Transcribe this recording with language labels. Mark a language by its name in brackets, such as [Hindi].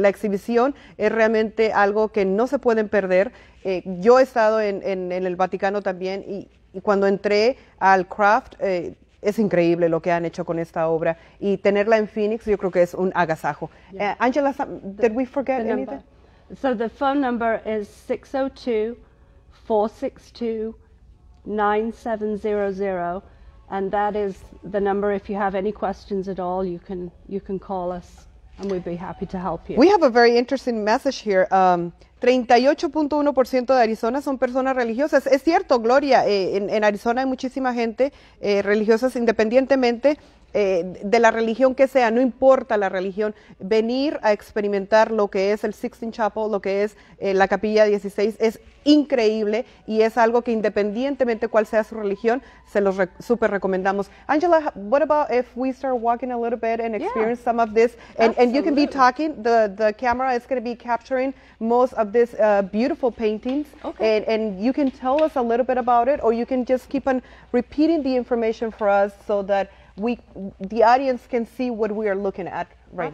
[Spanish] La exhibición es realmente algo que no se pueden perder. Yo he estado en el Vaticano también, y cuando entré al Croft, es increíble lo que han hecho con esta obra. Y tenerla en Phoenix, yo creo que es un agasajo. [English] Yeah. Angela, did we forget anything? Number. So the phone number is 602-462-9700, and that is the number. If you have any questions at all, you can call us, and we'd be happy to help you. We have a very interesting message here. [Spanish] 38.1% de Arizona son personas religiosas. Es cierto, Gloria, en Arizona hay muchísima gente religiosa, independientemente de la religión que sea, no importa la religión, venir a experimentar lo que es el Sixtine Chapel, lo que es la Capilla 16, es increíble, y es algo que independientemente cuál sea su religión, se los super recomendamos. [English] Angela, what about if we start walking a little bit and experience yeah. some of this? And you can be talking, the camera is going to be capturing most of these beautiful paintings. Okay. And you can tell us a little bit about it, or you can just keep on repeating the information for us so that the audience can see what we are looking at right